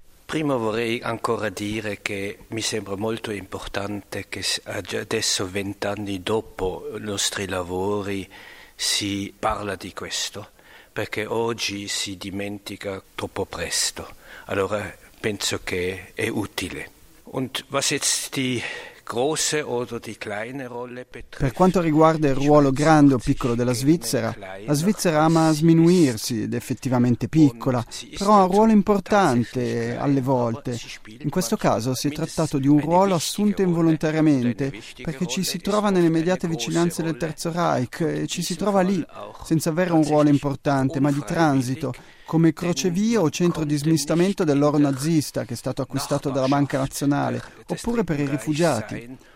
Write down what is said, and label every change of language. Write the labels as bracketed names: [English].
[Italian] Prima vorrei ancora dire che mi sembra molto importante che adesso, 20 anni dopo i nostri lavori, si parla di questo, perché oggi si dimentica troppo presto. Allora penso che è utile. [German] Und was jetzt die große oder die kleine Rolle betrifft, [Italian] per quanto riguarda il ruolo grande o piccolo della Svizzera, la Svizzera ama sminuirsi ed è effettivamente piccola, però ha un ruolo importante alle volte. In questo caso si è trattato di un ruolo assunto involontariamente, perché ci si trova nelle immediate vicinanze del Terzo Reich e ci si trova lì, senza avere un ruolo importante, ma di transito, come crocevia o centro di smistamento dell'oro nazista che è stato acquistato dalla Banca Nazionale, oppure per i rifugiati.